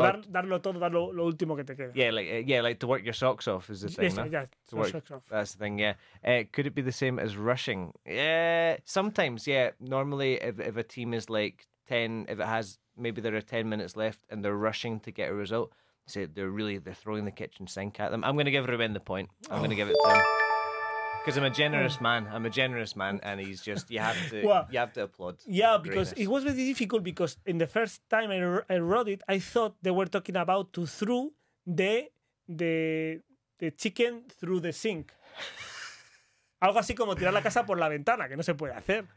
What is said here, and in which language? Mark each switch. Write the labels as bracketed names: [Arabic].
[Spanish] Or darlo todo, dar lo último que te queda. [English] Yeah, like to work your socks off is the thing, yes, no? Yeah, to work socks off. That's the thing, yeah. Could it be the same as rushing? Yeah, sometimes, yeah. Normally, if a team is, like, 10, if it has, maybe there are 10 minutes left and they're rushing to get a result, so they're throwing the kitchen sink at them. I'm going to give Ruben the point. I'm going to give it to him. Because I'm a generous man. I'm a generous man. And he's just, you have to applaud. Yeah, because it was very difficult because in the first time I wrote it, I thought they were talking about to throw the chicken through the sink. [Spanish] Algo así como tirar la casa por la ventana, que no se puede hacer.